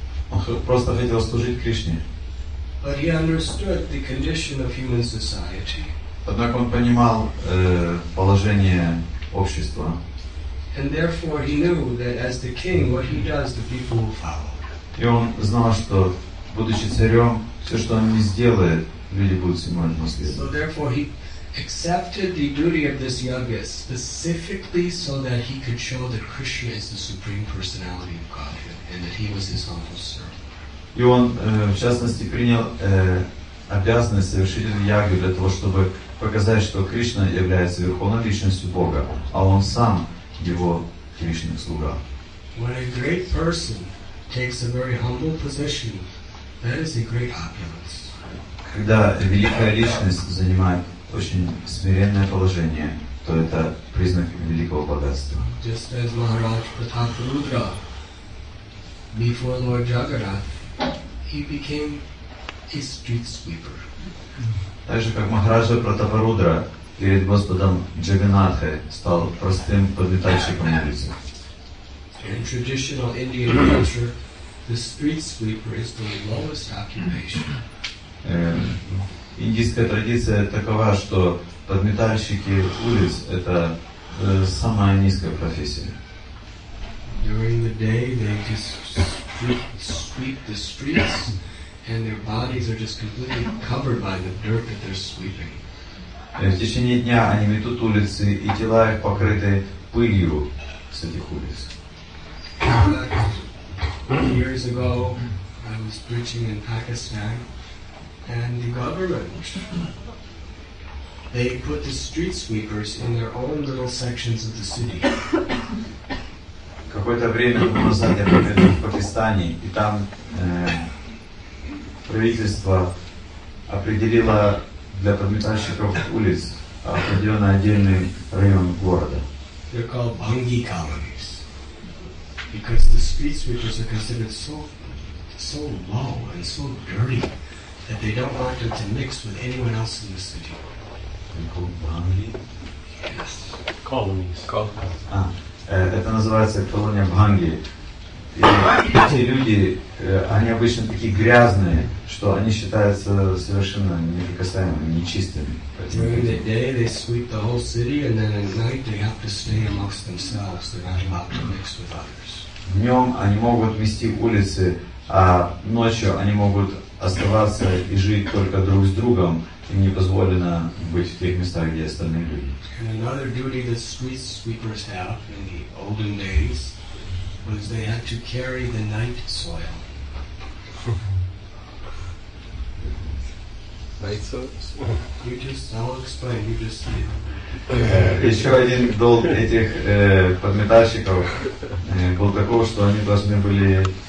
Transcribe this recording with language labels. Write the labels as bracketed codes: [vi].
[ru] Он просто хотел служить Кришне. [en] But he understood the condition of human society. [ru] Однако он понимал положение общества. [en] And therefore he knew that as the king, what he does, the people will follow. [ru] И он знал, что будучи царем, все, что он не сделает, люди будут внимательно следовать. [en] So therefore he accepted the duty of this yagya specifically so that he could show that Krishna is the supreme personality of Godhead and that he was his humble servant. [ru] И он в частности принял обязанность совершить эту ягью для того, чтобы показать, что Кришна является верховной личностью Бога, а он сам его личный слуга. [en] When a great person takes a very humble position, that is a great opulence. [ru] Когда великая личность занимает очень смиренное положение, то это признак великого богатства. [en] Just as Maharaj Pratap Rudra before Lord Jagannath, he became a street sweeper. [ru] Так же, как Махараджа Пратапарудра перед Господом Джаганнатхой стал простым подметальщиком улицы. [en] In traditional Indian culture, the street sweeper is the lowest occupation. [ru] Индийская традиция такова, что подметальщики улиц – это самая низкая профессия. [en] During the day, they just sweep the streets. And their bodies are just completely covered by the dirt that they're sweeping. [ru] В течение дня они метут улицы, и тела их покрыты пылью с этих улиц. [en] Years ago, I was preaching in Pakistan, and the government, they put the street sweepers in their own little sections of the city. [ru] Какое-то время назад я был в Пакистане, и там правительство определило для подметальщиков улиц определенный отдельный район города. [en] They're called bhangi colonies because the street sweepers are considered so low and so dirty that they don't want them to mix with anyone else in the city. They're called bhangi. Yes. Colonies. [ru] Это называется колония бханги. И эти люди, они обычно такие грязные, что они считаются совершенно неприкасаемыми, нечистыми. [en] During the day they sweep the whole city, and then at night they have to stay amongst themselves. They're not allowed to mix with others. [ru] Днем они могут мести улицы, а ночью они могут оставаться и жить только друг с другом, им не позволено быть в тех местах, где остальные люди. [en] And another duty that street sweepers have in the olden days was they had to carry the night soil. Right, so you just, I'll explain, you just see. [ru] Еще один долг этих подметальщиков был такого, что они должны были.